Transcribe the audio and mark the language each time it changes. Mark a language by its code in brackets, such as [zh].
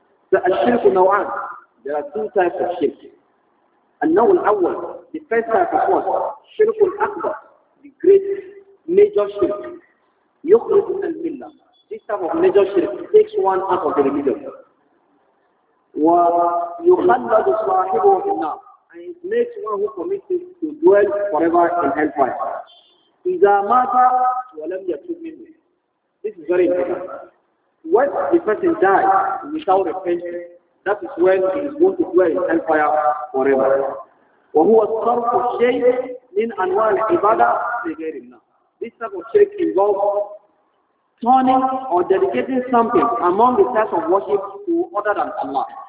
[en] So, shirk in Nawan, there are two types of shirk. [ar] النوع الأول, [en] the first type of one, [ar] شرك الأكبر, [en] the great major shirk. [ar] يخرج الملة. [en] This type of major shirk takes one out of the religion. [ar] ويخلد صاحبه في النار. [en] And it makes one who commits it to dwell forever in hellfire. [ar] إذا مات ولم يتوب منه. [en] This is very important. When the person dies without repentance, that is when he is going to dwell in hellfire forever. [ar] وَهُوَ صَرْفُ الشَّيْءِ مِنْ أَنْوَالِ عِبَادَةِ لِغَيْرِ اللَّهِ. [en] This type of shirk involves turning or dedicating something among the types of worship to other than Allah.